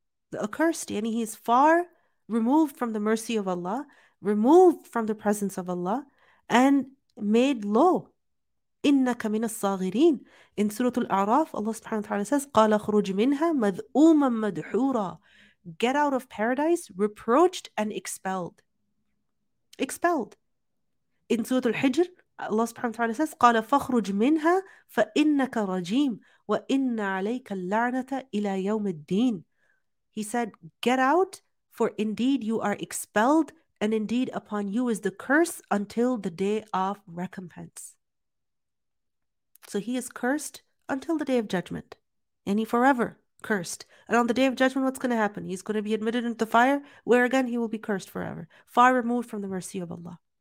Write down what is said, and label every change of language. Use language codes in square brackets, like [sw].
[en] The accursed, yani he is far removed from the mercy of Allah, removed from the presence of Allah, and made low. [ar] إنك من الصاغرين. [en] In Surah Al-A'raf, Allah subhanahu wa ta'ala says, [ar] قَالَ خُرُجْ مِنْهَا مَذْءُومًا مَدْحُورًا. [en] Get out of paradise, reproached and expelled. Expelled. In Surah Al-Hijr, Allah subhanahu wa ta'ala says, [ar] قَالَ فَخْرُجْ مِنْهَا فَإِنَّكَ رَجِيمٌ وَإِنَّ عَلَيْكَ اللَّعْنَةَ إِلَى يَوْمِ الدِّينِ. [en] He said, get out, for indeed you are expelled, and indeed upon you is the curse until the day of recompense. So he is cursed until the day of judgment. And he forever cursed. And on the day of judgment, what's going to happen? He's going to be admitted into the fire, where again he will be cursed forever, far removed from the mercy of Allah.